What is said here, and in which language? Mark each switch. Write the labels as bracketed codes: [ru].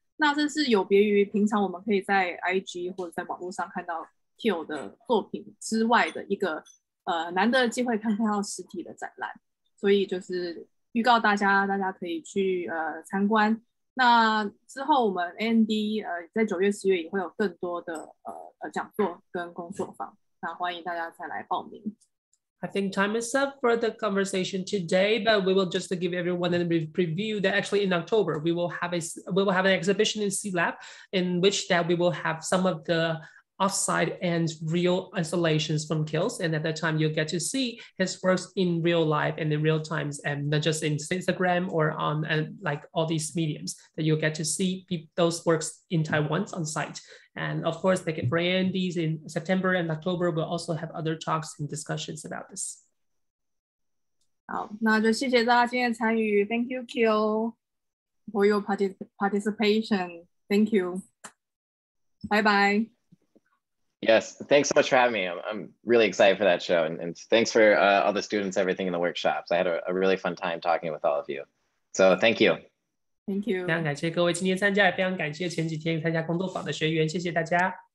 [zh] 那这是有别于平常我们可以在 IG 或者在网络上看到 Kiel 的作品之外的一个难得的机会，看到实体的展览。所以就是预告大家可以去参观。那之后我们 AND 在9月10月也会有更多的讲座跟工作坊，那欢迎大家再来报名。 [en] I think time is up for the conversation today, but we will just give everyone a preview that actually in October we will have an exhibition in C-Lab in which that we will have some of theoffsite and real installations from Kiel, and at that time you'll get to see his works in real life and in real times, and not just in Instagram or on like all these mediums, that you'll get to see those works in Taiwan on site. And of course, they get brandies in September and October. We'll also have other talks and discussions about this. [zh] 好，那就谢谢大家今天的参与。 [en] Thank you, Kiel, for your participation. Thank you. Bye bye. Yes, thanks so much for having me. I'm really excited for that show. And thanks for all the students, everything in the workshops. I had a really fun time talking with all of you. So thank you. Thank you. [zh] 非常感谢各位今天参加，也非常感谢前几天参加工作坊的学员。谢谢大家。